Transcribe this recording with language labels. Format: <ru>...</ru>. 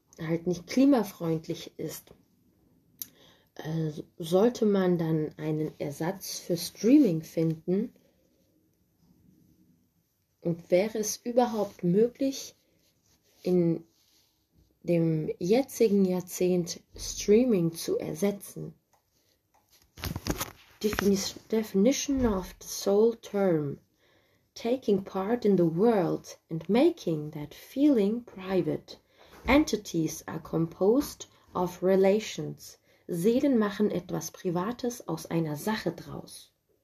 <de>halt nicht klimafreundlich ist, sollte man dann einen Ersatz für Streaming finden? Und wäre es überhaupt möglich, in dem jetzigen Jahrzehnt Streaming zu ersetzen?</de> <en>Definition of the soul term: taking part in the world and making that feeling private. Entities are composed of relations.</en> <de>Seelen machen etwas Privates aus einer Sache draus.</de>